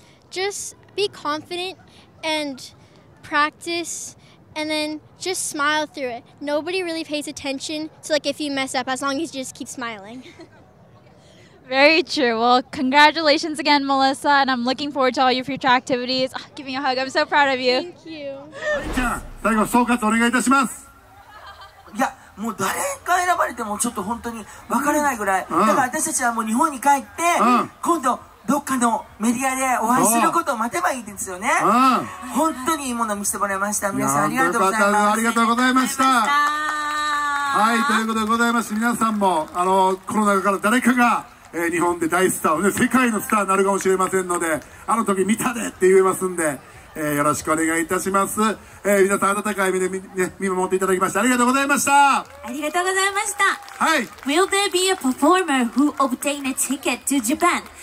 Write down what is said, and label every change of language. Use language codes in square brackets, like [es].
[en] Just be confident and practice and then just smile through it. Nobody really pays attention to like if you mess up as long as you just keep smiling. Very true. Well, congratulations again, Melissa, and I'm looking forward to all your future activities. Oh, give me a hug. I'm so proud of you. Thank you. [ja] じゃあ、最後総括お願いいたします。いや、もう誰が選ばれてもちょっと本当に分からないぐらい。だから私たちはもう日本に帰って、今度どっかのメディアでお会いすることを待てばいいですよね。本当にいいものを見せてもらいました。皆さんありがとうございます。ありがとうございました。はい、ということでございます。皆さんも、コロナ禍から誰かが、日本で大スターを、ね、世界のスターになるかもしれませんので、あの時見たでって言えますんで、よろしくお願いいたします。皆さん温かい目で 見守っていただきましてありがとうございました。ありがとうございました。はい、 [en] Will there be a performer who obtained a ticket to Japan?